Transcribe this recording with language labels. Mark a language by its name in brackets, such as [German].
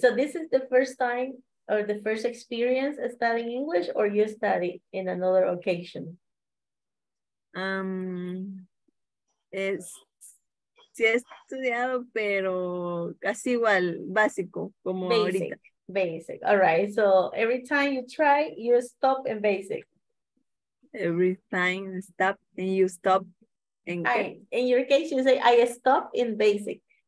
[English] So this is the first time or the first experience studying English, or you study in another occasion? [Spanish] Sí he estudiado, pero casi igual, básico, como [English] basic. [Spanish] Ahorita. [English] Basic. All right. So every time you try, you stop in basic. Every time you stop and you stop. In your case, you say, I stop in basic.